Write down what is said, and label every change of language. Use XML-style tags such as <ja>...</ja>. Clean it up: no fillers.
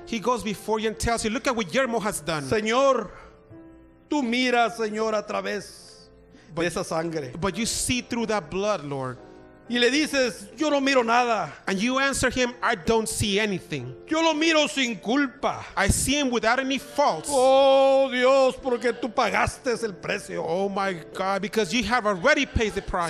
<en>He goes before you and tells you, look at what Guillermo has done.</en> <es>Señor, tú miras, Señor, a través de esa sangre.</es> <en>But you see through that blood, Lord.</en> <es>Y le dices, yo no miro nada.</es> <en>And you answer him, I don't see anything.</en> <es>Yo lo miro sin culpa.</es> <en>I see him without any faults.</en> <es>Oh, Dios, porque tú pagaste el precio.</es> <en>Oh, my God, because you have already paid the price.</en>